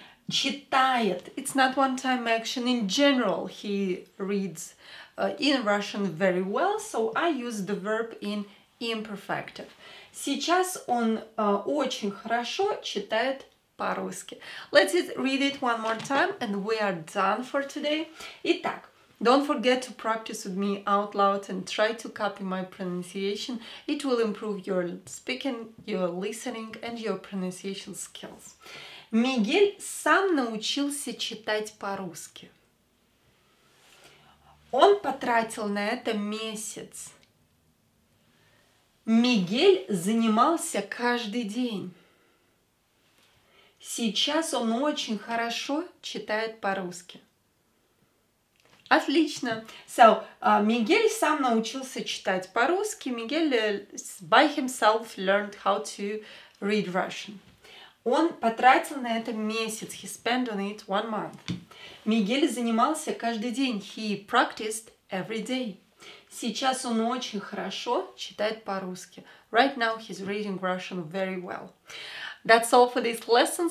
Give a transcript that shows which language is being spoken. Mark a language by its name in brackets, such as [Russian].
[English] Читает. It's not one-time action. In general, he reads in Russian very well. So I use the verb in imperfective. [Russian] Сейчас он очень хорошо читает по-русски. [English] Let's read it one more time and we are done for today. Итак, don't forget to practice with me out loud and try to copy my pronunciation. It will improve your speaking, your listening and your pronunciation skills. [Russian] Мигель сам научился читать по-русски. Он потратил на это месяц. Мигель занимался каждый день. Сейчас он очень хорошо читает по-русски. Отлично. So, Мигель сам научился читать по-русски. [English] Мигель by himself learned how to read Russian. [Russian] Он потратил на это месяц. [English] He spent on it 1 month. [Russian] Мигель занимался каждый день. [English] He practiced every day. [Russian] Сейчас он очень хорошо читает по-русски. [English] Right now he's reading Russian very well. That's all for this lesson.